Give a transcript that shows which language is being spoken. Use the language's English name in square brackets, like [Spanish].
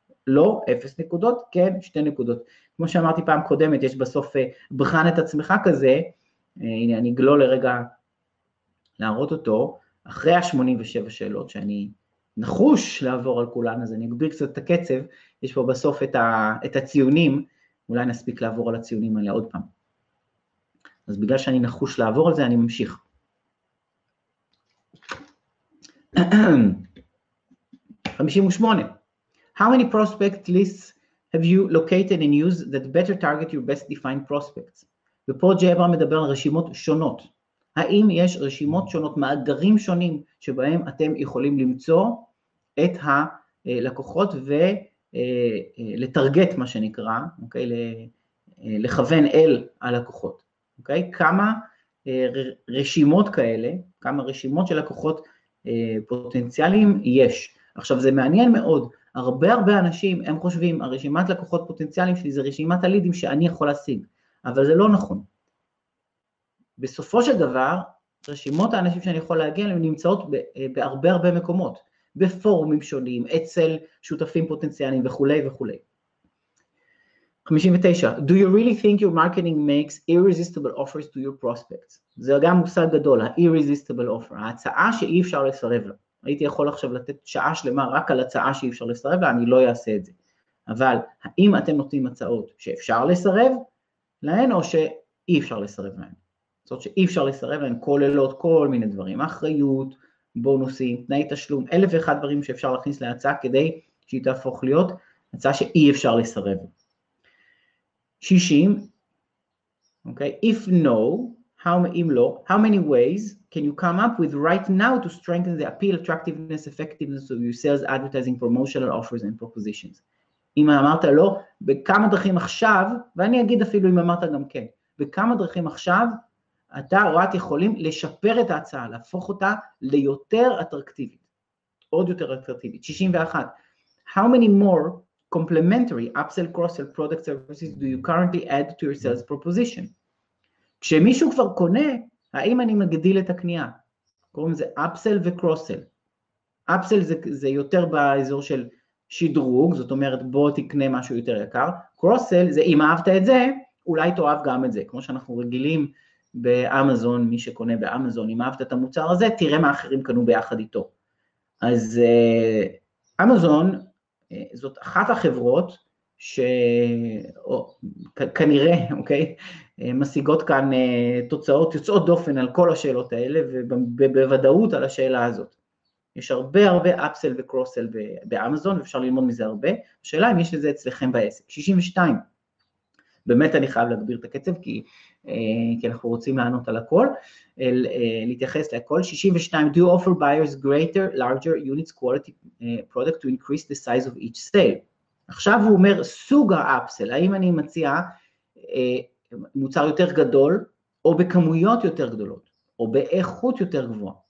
[Hebrew] לא, אפס נקודות, כן, שתי נקודות. כמו שאמרתי פעם קודמת, יש בסוף בחן את עצמך כזה, הנה אני גלול לרגע להראות אותו, אחרי ה-87 שאלות שאני נחוש לעבור על כולן, אז אני אגביר קצת את הקצב, יש פה בסוף את הציונים, אולי נספיק לעבור על הציונים האלה עוד פעם. אז בגלל שאני נחוש לעבור על זה, אני ממשיך. [English] How many prospect lists have you located and used that better target your best defined prospects? [Hebrew] ופה ג'י אברהם מדבר על רשימות שונות. האם יש רשימות שונות, מאגרים שונים, שבהם אתם יכולים למצוא את הלקוחות ולטרגט, מה שנקרא, אוקיי, לכוון אל הלקוחות. אוקיי? כמה רשימות כאלה, כמה רשימות של לקוחות פוטנציאליים יש. עכשיו זה מעניין מאוד, הרבה הרבה אנשים הם חושבים, הרשימת לקוחות פוטנציאליים שלי זה רשימת הלידים שאני יכול להשיג, אבל זה לא נכון. בסופו של דבר, רשימות האנשים שאני יכול להגיע אליהם נמצאות בהרבה הרבה מקומות, בפורומים שונים, אצל שותפים פוטנציאליים וכולי וכולי. 59. [English] Do you really think your marketing makes irresistible offers to your prospects? [Hebrew] זה גם מושג גדול, ה-irresistible offer, ההצעה שאי אפשר לסרב לה. הייתי יכול עכשיו לתת שעה שלמה רק על הצעה שאי אפשר לסרב לה, אני לא אעשה את זה. אבל האם אתם נותנים הצעות שאפשר לסרב להן או שאי אפשר לסרב להן? זאת אומרת שאי אפשר לסרב להן, כוללות כל מיני דברים, אחריות, בונוסים, תנאי תשלום, אלף ואחד דברים שאפשר להכניס להצעה כדי שהיא תהפוך להיות הצעה שאי אפשר לסרב. [English] 60, okay, if no, how many ways can you come up with right now to strengthen the appeal, attractiveness, effectiveness of your sales, advertising, promotional offers and propositions? [Hebrew] אם אמרת לא, בכמה דרכים עכשיו, ואני אגיד אפילו אם אמרת גם כן, בכמה דרכים עכשיו, אתה או את יכולים לשפר את ההצעה, להפוך אותה ליותר אטרקטיבית, עוד יותר אטרקטיבית. [English] 61, how many more complementary upsell, cross-sell product services do you currently add to your sales proposition? [Hebrew] כשמישהו כבר קונה, האם אני מגדיל את הקנייה? קוראים זה upsell וcross-sell. upsell זה יותר באזור של שדרוג, זאת אומרת בוא תקנה משהו יותר יקר. cross-sell זה אם אהבת את זה, אולי תאהב גם את זה. כמו שאנחנו רגילים באמזון, מי שקונה באמזון, אם אהבת את המוצר הזה, תראה מה אחרים קנו ביחד איתו. אז אמזון, זאת אחת החברות שכנראה, אוקיי, משיגות כאן תוצאות, יוצאות דופן על כל השאלות האלה, ובוודאות על השאלה הזאת. יש הרבה הרבה אפסל וקרוסל באמזון, ואפשר ללמוד מזה הרבה. השאלה אם יש לזה אצלכם בעסק. 62. באמת אני חייב להגביר את הקצב, כי אנחנו רוצים לענות על הכל, להתייחס לכל. [English] 62, do offer buyers greater, larger units quality product to increase the size of each sale. [Hebrew] עכשיו הוא אומר, סוג האפסל, האם אני מציע מוצר יותר גדול, או בכמויות יותר גדולות, או באיכות יותר גבוהה.